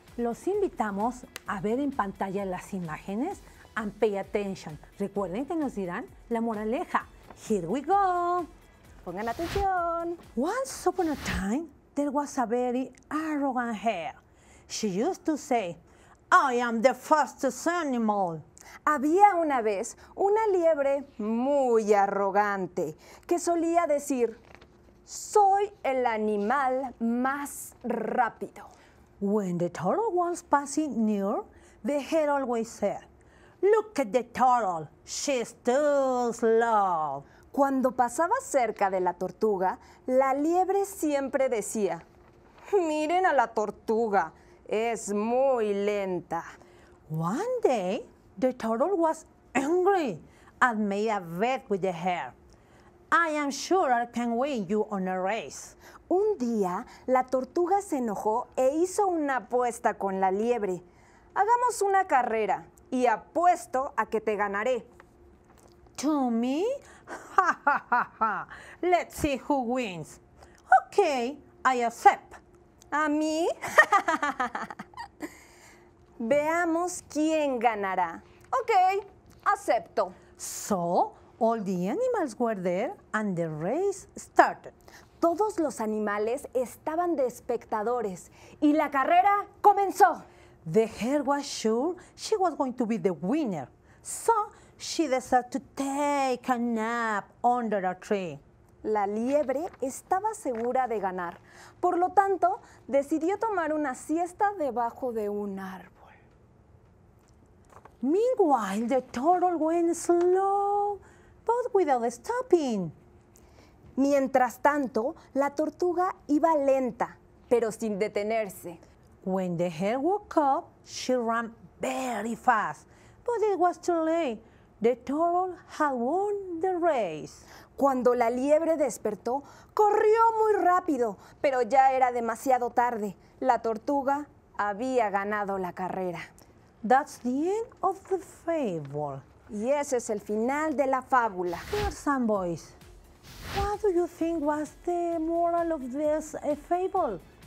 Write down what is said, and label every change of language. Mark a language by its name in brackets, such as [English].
[Spanish] Los invitamos a ver en pantalla las imágenes [English] and pay attention. [Spanish] Recuerden que nos dirán la moraleja. [English] Here we go. [Spanish] Pongan atención. [English] Once upon a time, there was a very arrogant hare. She used to say, I am the fastest animal. [Spanish] Había una vez una liebre muy arrogante que solía decir, soy el animal más rápido. [English] When the turtle was passing near, the hare always said, look at the turtle, she's too slow. [Spanish] Cuando pasaba cerca de la tortuga, la liebre siempre decía, miren a la tortuga, es muy lenta. [English] One day, the turtle was angry and made a bet with the hare. I am sure I can win you on a race. [Spanish] Un día, la tortuga se enojó e hizo una apuesta con la liebre. Hagamos una carrera y apuesto a que te ganaré. [English] To me? Ha, ha, ha, ha. Let's see who wins. Okay, I accept. [Spanish] ¿A mí? Veamos quién ganará. Ok, acepto. [English] So, all the animals were there and the race started. [Spanish] Todos los animales estaban de espectadores y la carrera comenzó. [English] The hare was sure she was going to be the winner. So, she decided to take a nap under a tree. [Spanish] La liebre estaba segura de ganar. Por lo tanto, decidió tomar una siesta debajo de un árbol. [English] Meanwhile, the turtle went slow, but without stopping. [Spanish] Mientras tanto, la tortuga iba lenta, pero sin detenerse. [English] When the hare woke up, she ran very fast, but it was too late. The turtle had won the race. [Spanish] Cuando la liebre despertó, corrió muy rápido, pero ya era demasiado tarde. La tortuga había ganado la carrera. [English] That's the end of the fable. [Spanish] Y ese es el final de la fábula. [English] Girls and boys, what do you think was the moral of this fable?